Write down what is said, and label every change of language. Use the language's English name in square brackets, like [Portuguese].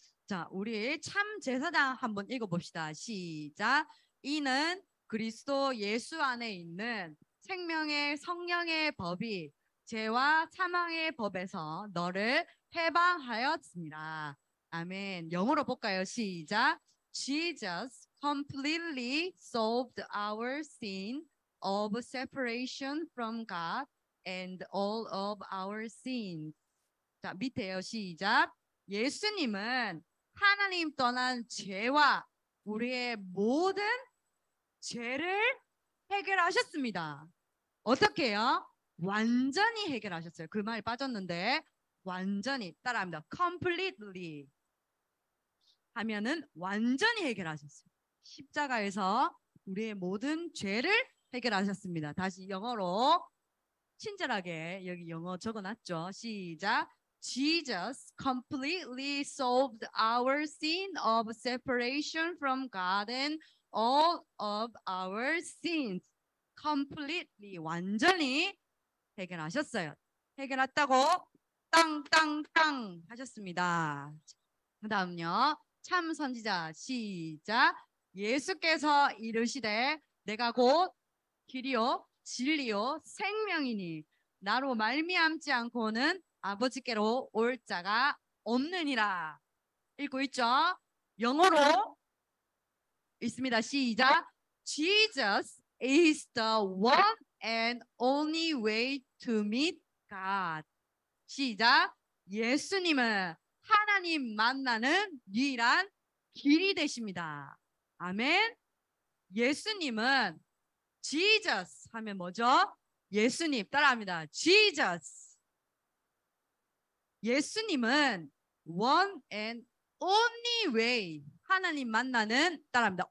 [Korean] 자, 우리 참 제사장 한번 읽어봅시다. 시작. 이는 그리스도 예수 안에 있는 생명의 성령의 법이 죄와 사망의 법에서 너를 해방하였습니다. 아멘. 영어로 볼까요? 시작. [English] Jesus completely solved our sin of separation from God and all of our sins. [Korean] 자, 밑에요. 시작. 예수님은 하나님 떠난 죄와 우리의 모든 죄를 해결하셨습니다. 어떻게요? 완전히 해결하셨어요. 그 말이 빠졌는데 완전히 따라합니다. [English] Completely [Korean] 하면은 완전히 해결하셨어요. 십자가에서 우리의 모든 죄를 해결하셨습니다. 다시 영어로 친절하게 여기 영어 적어놨죠. 시작. [English] Jesus completely solved our sin of separation from God and all of our sins. Completely, [Korean] 완전히 해결하셨어요. 해결했다고 땅땅땅 하셨습니다. 그 다음요. 참 선지자, 시작. 예수께서 이르시되, 내가 곧 길이요, 진리요, 생명이니, 나로 말미암지 않고는 아버지께로 올 자가 없느니라. 읽고 있죠? 영어로 있습니다. 시작. [English] Jesus is the one and only way to meet God. [Korean] 시작. 예수님은 하나님 만나는 유일한 길이 되십니다. 아멘. 예수님은 Jesus 하면 뭐죠? 예수님 따라합니다. Jesus. 예수님은 [English] one and only way [Korean] 하나님 만나는 따라합니다.